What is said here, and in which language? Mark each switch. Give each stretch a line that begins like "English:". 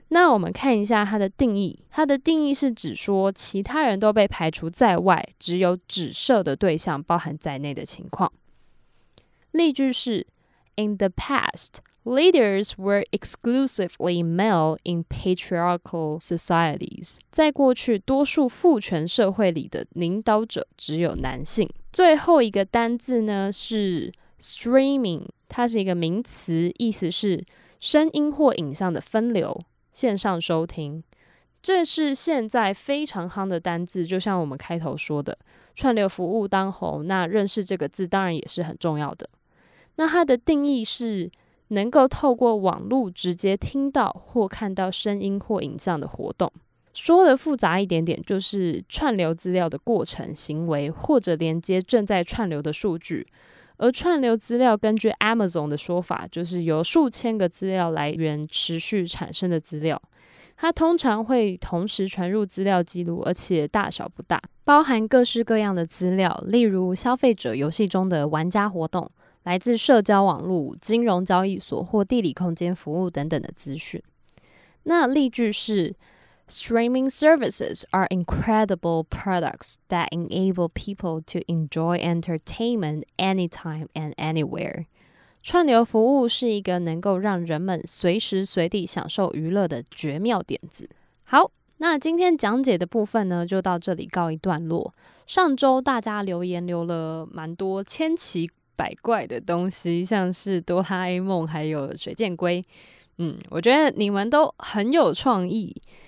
Chinese: 那我们看一下它的定义，它的定义是指说其他人都被排除在外，只有指涉的对象包含在内的情况。例句是
English: In the pastLeaders were exclusively male in patriarchal societies.
Chinese: 在过去多数父权社会里的领导者只有男性。最后一个单字呢是 streaming， 它是一个名词，意思是声音或影像的分流、线上收听。这是现在非常夯的单字，就像我们开头说的，串流服务当红，那认识这个字当然也是很重要的。那它的定义是能够透过网路直接听到或看到声音或影像的活动。说的复杂一点点，就是串流资料的过程、行为，或者连接正在串流的数据。而串流资料根据 Amazon 的说法，就是由数千个资料来源持续产生的资料，它通常会同时传入资料记录，而且大小不大，包含各式各样的资料，例如消费者游戏中的玩家活动，来自社交网络、金融交易所或地理空间服务等等的资讯。那例句是
English: Streaming services are incredible products that enable people to enjoy entertainment anytime and anywhere.
Chinese: 串流服务是一个能够让人们随时随地享受娱乐的绝妙点子。好，那今天讲解的部分呢，就到这里告一段落。上周大家留言留了蛮多千奇百怪的东西，像是哆啦 A 梦还有水箭龟，我觉得你们都很有创意。